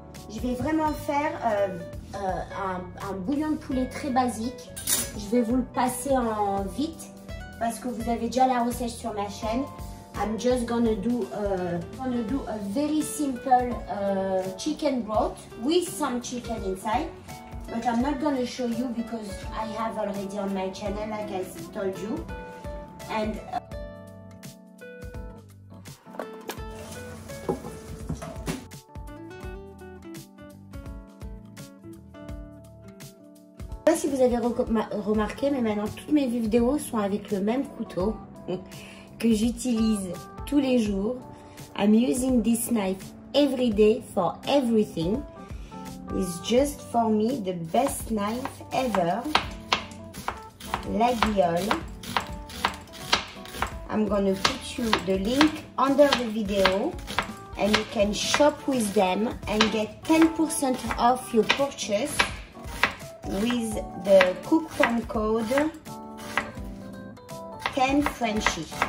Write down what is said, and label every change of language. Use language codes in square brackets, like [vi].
[fr] Je vais vraiment faire un bouillon de poulet très basique. Je vais vous le passer en vite parce que vous avez déjà la recette sur ma chaîne. [en] I'm just gonna do a very simple chicken broth with some chicken inside. But I'm not gonna show you because I have already on my channel, like I told you. [fr] Je ne sais pas si vous avez remarqué, mais maintenant toutes mes vidéos sont avec le même couteau que j'utilise tous les jours. [en] I'm using this knife every day for everything. It's just for me the best knife ever. La guillole. I'm gonna put you the link under the video and you can shop with them and get 10% off your purchase with the coupon code 10 Frenchy.